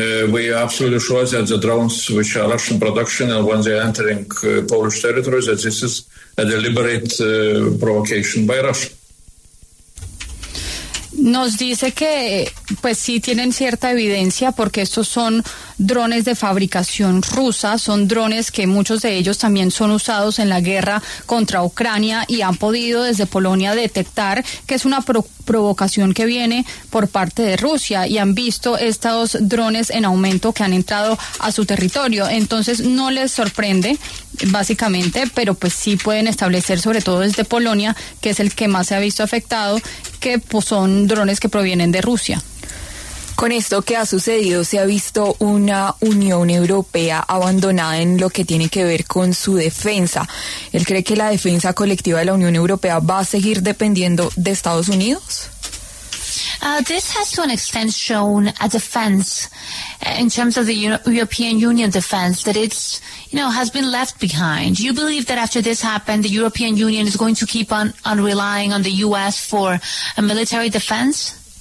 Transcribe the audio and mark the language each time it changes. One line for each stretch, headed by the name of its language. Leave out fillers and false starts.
English: We are absolutely sure that the drones, which are Russian production, and when they're entering Polish territory, that this is a deliberate provocation by Russia.
Spanish: Nos dice que, pues sí, tienen cierta evidencia porque estos son drones de fabricación rusa, son drones que muchos de ellos también son usados en la guerra contra Ucrania y han podido desde Polonia detectar que es una provocación que viene por parte de Rusia y han visto estos drones en aumento que han entrado a su territorio. Entonces no les sorprende básicamente, pero pues sí pueden establecer, sobre todo desde Polonia, que es el que más se ha visto afectado, que pues son drones que provienen de Rusia. Con esto que ha sucedido, ¿se ha visto una Unión Europea abandonada en lo que tiene que ver con su defensa? ¿Él cree que la defensa colectiva de la Unión Europea va a seguir dependiendo de Estados Unidos?
English: This has to an extent shown a defense in terms of the European Union defense that it's, you know, has been left behind. You believe that after this happened, the European Union is going to keep on relying on the U.S. for a military defense?